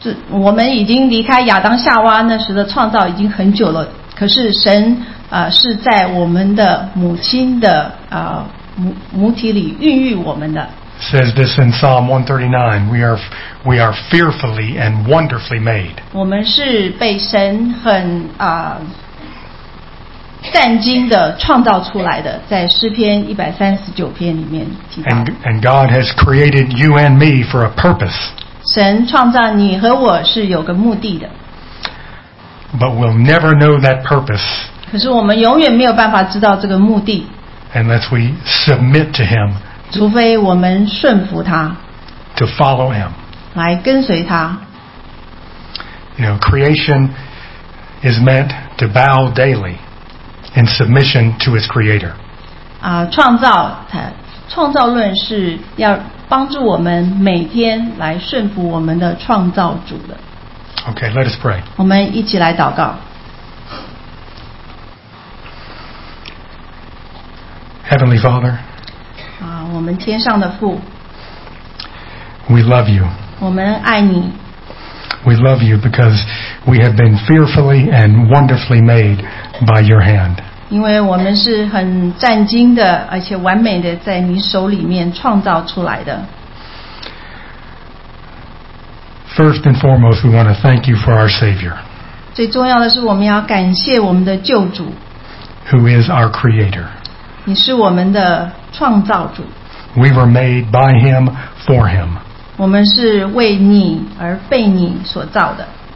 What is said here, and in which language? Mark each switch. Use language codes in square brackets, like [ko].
[zh] 我们已经离开亚当夏娃那时的创造已经很久了，可是神是在我们的母亲的母体里孕育我们的。 [en] Says this in Psalm 139, we are fearfully and wonderfully made. [zh] 我们是被神很战经的创造出来的，在诗篇139篇里面提到。 [en] And God has created you and me for a purpose. [zh] 神创造你和我是有个目的的。 [en] But we'll never know that purpose. [zh] 可是我们永远没有办法知道这个目的。 [en] Unless we submit to Him. [zh] 除非我们顺服他。 [en] To follow Him. [zh] 来跟随他。 [en] You know, creation is meant to bow daily in submission to its creator. [zh] 创造论是要帮助我们每天来顺服我们的创造主的。 [en] Okay, let us pray. [zh] 我们一起来祷告。 [en] Heavenly Father, [zh] 我们天上的父。 [en] We love you. [zh] 我们爱你。 [en] We love you because we have been fearfully and wonderfully made by your hand. [zh] 因为我们是很战兢的，而且完美的在你手里面创造出来的。 [en] First and foremost, we want to thank you for our Savior. [zh] 最重要的是我们要感谢我们的救主。 [en] Who is our Creator. [zh] 你是我们的创造主。 [en] We were made by Him for Him. [zh] 我们是为你而被你所造的。